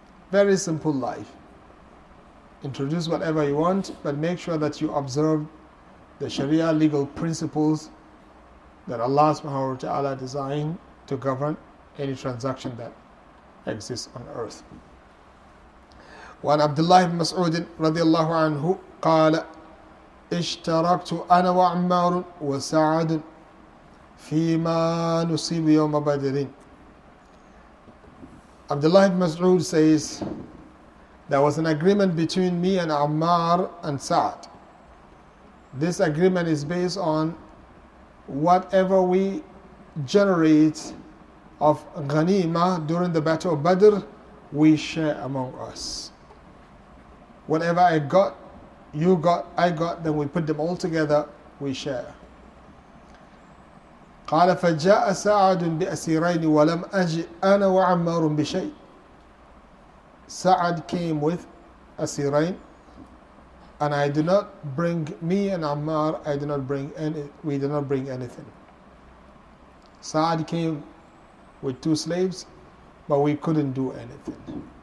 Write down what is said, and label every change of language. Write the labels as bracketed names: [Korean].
[English] Very simple life. Introduce whatever you want, but make sure that you observe the sharia legal principles that Allah subhanahu wa ta'ala designed to govern any transaction that exists on earth. [Arabic] وعن عبد الله بن مسعود رضي الله عنه قال اشتركت أنا وعمار وسعد فيما نصيب يوم بدر. [English] عبد الله بن مسعود says there was an agreement between me and Ammar and Sa'd. This agreement is based on whatever we generate of ghanima during the Battle of Badr, we share among us. Whatever I got, you got, I got, then we put them all together, we share. [Arabic] قال فجاء سعد بأسيرين ولم أجي أنا وعمار بشيء. [English] Sa'd came with أسيرين, and I do not bring, me and Ammar, I do not bring any, we do not bring anything. Sa'd came with two slaves, but we couldn't do anything.